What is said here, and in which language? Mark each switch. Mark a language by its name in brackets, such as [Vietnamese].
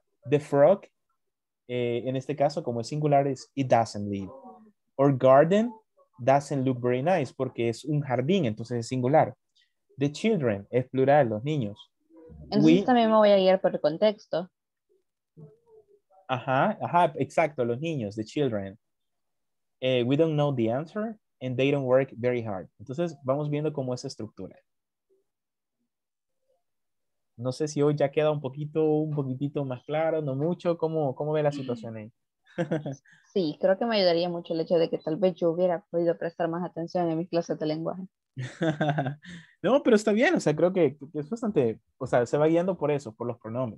[English] The frog, [Spanish] en este caso, como es singular, es [English] it doesn't live. Or garden doesn't look very nice, [Spanish] porque es un jardín, entonces es singular. [English] The children [Spanish] es plural, los niños. Entonces también me voy a guiar por el contexto. Ajá, exacto, los niños, [English] the children. We don't know the answer and they don't work very hard. [Spanish] Entonces vamos viendo cómo es la estructura. No sé si hoy ya queda un poquitito más claro, no mucho. ¿Cómo ve la situación ahí? Sí, creo que me ayudaría mucho el hecho de que tal vez yo hubiera podido prestar más atención en mis clases de lenguaje. No, pero está bien, o sea, creo que es bastante, o sea, se va guiando por eso, por los pronombres.